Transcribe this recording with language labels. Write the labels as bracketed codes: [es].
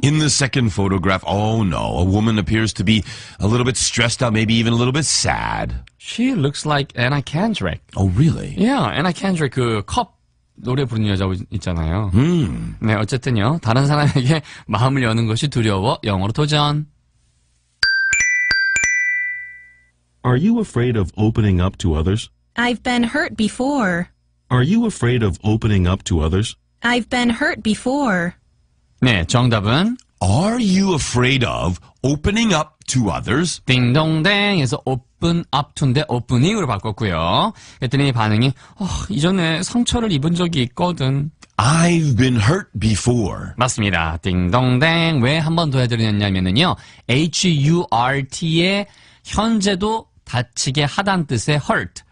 [en] In the second photograph, oh no, a woman appears to be a little bit stressed out, maybe even a little bit sad. She looks like Anna Kendrick. Oh, really? Yeah, [ko] Anna Kendrick, 그 컵 노래 부르는 여자 있잖아요. Mm. 네, 어쨌든요. 다른 사람에게 마음을 여는 것이 두려워. 영어로 도전. [en] Are you afraid of opening up to others? I've been hurt before. Are you afraid of opening up to others? I've been hurt before. [ko] 네, 정답은? [en] Are you afraid of opening up to others? [ko] 띵동댕 해서 open up to인데 opening으로 바꿨고요. 그랬더니 반응이 이전에 상처를 입은 적이 있거든. [en] I've been hurt before. [ko] 맞습니다. 띵동댕 왜 한 번 더 해드렸냐면요. H-U-R-T의 현재도 다치게 하단 뜻의 hurt.